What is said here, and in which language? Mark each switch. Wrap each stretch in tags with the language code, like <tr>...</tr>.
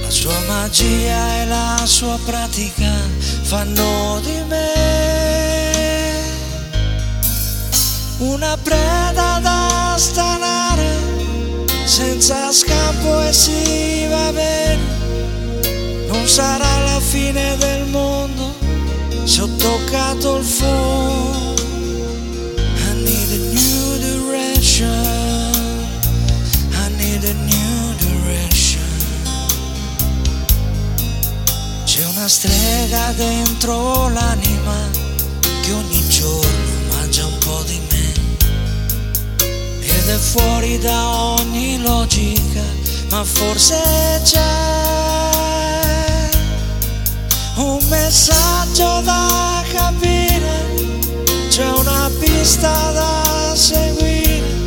<it>La sua magia e la sua pratica fanno di me una preda da stanare, senza scampo e si va bene. Non sarà la fine del mondo se ho toccato il fondo.</it> <en>I need a new direction, I need a new direction.</en> <it>C'è una strega dentro l'anima che ogni giorno mangia un po' di me, ed è fuori da ogni logica, ma forse c'è un messaggio da capire, c'è una pista da seguire.</it>